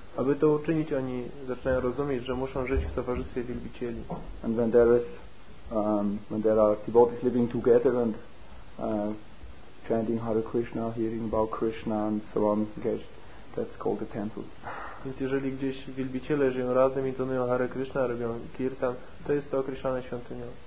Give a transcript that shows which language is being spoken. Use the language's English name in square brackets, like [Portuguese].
[Polish] Aby to uczynić, oni zaczynają rozumieć, że muszą żyć w towarzystwie wielbicieli. [English] And when there is when there are devotees living together and chanting Hare Krishna, hearing about Krishna and so on, engaged, that's called a temple. [Polish] Więc jeżeli gdzieś wielbiciele żyją razem, intonują Hare Krishna, robią kirtan, to jest to określane świątynią.